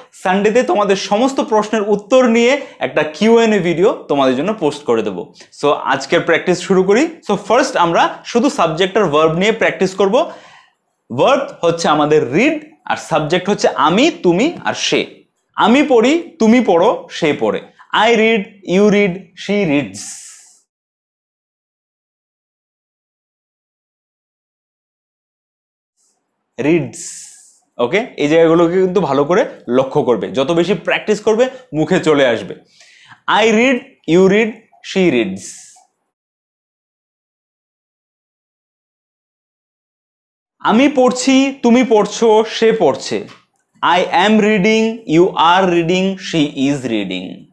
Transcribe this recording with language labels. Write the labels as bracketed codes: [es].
[bn] সানডেতে তোমাদের সমস্ত প্রশ্নের উত্তর নিয়ে একটা Q&A ভিডিও তোমাদের জন্য পোস্ট করে দেবো। সো আজকের প্র্যাকটিস শুরু করি। সো ফার্স্ট আমরা শুধু সাবজেক্ট আর ভার্ব নিয়ে প্র্যাকটিস করব। ভার্ব হচ্ছে আমাদের রিড, আর সাবজেক্ট হচ্ছে আমি, তুমি আর সে। আমি পড়ি, তুমি পড়ো, সে পড়ে। [en] I read, you read, she reads. Reads. Okay? [bn] এই জায়গাগুলোকে কিন্তু ভালো করে লক্ষ্য করবে, যত বেশি প্র্যাকটিস করবে মুখে চলে আসবে। [en] I read, you read, she reads. [bn] আমি পড়ছি, তুমি পড়ছো, সে পড়ছে। [en] I am reading, you are reading, she is reading.